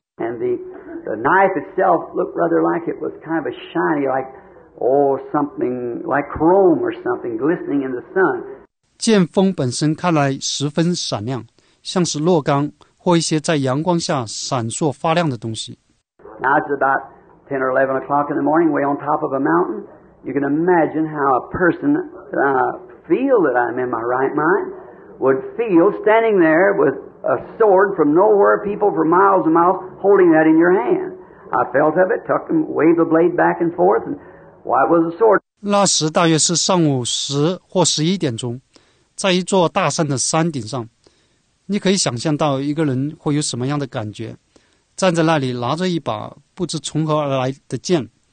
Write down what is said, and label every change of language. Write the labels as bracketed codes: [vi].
[en] And the knife itself looked rather like it was kind of a shiny, like, oh, something like chrome or something glistening in the sun. [zh] 剑锋本身看来十分闪亮，像是烙钢或一些在阳光下闪烁发亮的东西。 [en] Now it's about 10 or 11 o'clock in the morning, way on top of a mountain. You can imagine how a person feel that I'm in my right mind would feel standing there with a sword from nowhere, people for miles and miles holding that in your hand. I felt of it, tucked and waved the blade back and forth, and why was a sword? [zh] 那时大约是上午10或11点钟，在一座大山的山顶上，你可以想象到一个人会有什么样的感觉，站在那里拿着一把不知从何而来的剑。